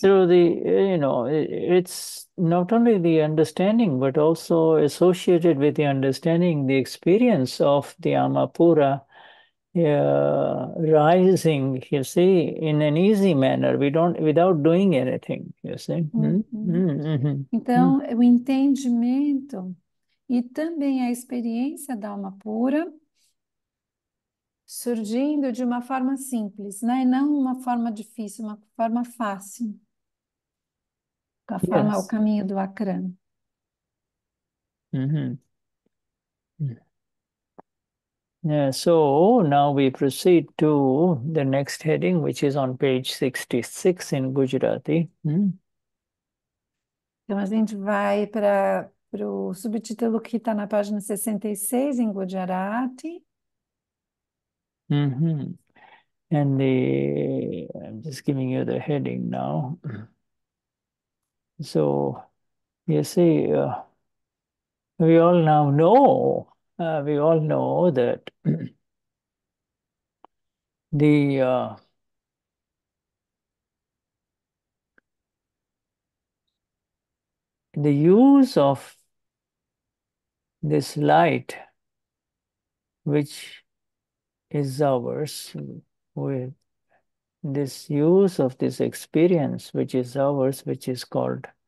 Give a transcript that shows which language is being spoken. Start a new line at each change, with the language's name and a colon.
English: through it's not only the understanding, but also associated with the understanding, the experience of the Amapura rising, you see, in an easy manner. We don't, without doing anything, you see.
Portuguese: Então, o entendimento e também a experiência da alma pura surgindo de uma forma simples, né? E não uma forma difícil, uma forma fácil. A forma, o
English: Yes.
Portuguese: caminho do Acrã.
English: Yeah, so now we proceed to the next heading, which is on page 66 in Gujarati.
Portuguese: Então, a gente vai para o subtítulo que está na página 66, em Gujarati.
English: And the I'm just giving you the heading now. So you see, we all now know. We all know that the use of this light, which is ours, with this use of this experience, which is ours, which is called